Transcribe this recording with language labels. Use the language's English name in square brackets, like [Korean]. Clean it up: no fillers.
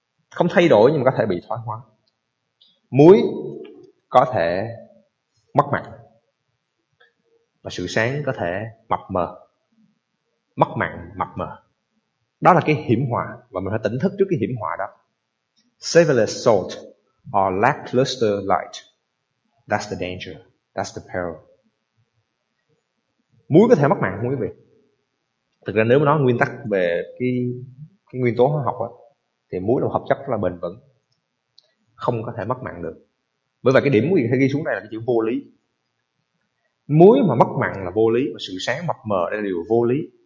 [Vietnamese] Không thay đổi nhưng mà có thể bị thoái hóa. Muối có thể mất mặn và sự sáng có thể mập mờ. Mất mặn, mập mờ, đó là cái hiểm họa. Và mình phải tỉnh thức trước cái hiểm họa đó. [English] Savorless salt or lackluster light, that's the danger, that's the peril. [Vietnamese] Muối có thể mất mặn không quý vị? Thực ra nếu mà nói nguyên tắc về cái nguyên tố hóa học á, thì muối là một hợp chất rất là bền vững, không có thể mất mặn được. Bởi vì cái điểm quý vị hay ghi xuống đây là cái chữ vô lý. Muối mà mất mặn là vô lý, và sự sáng mập mờ đây là điều vô lý.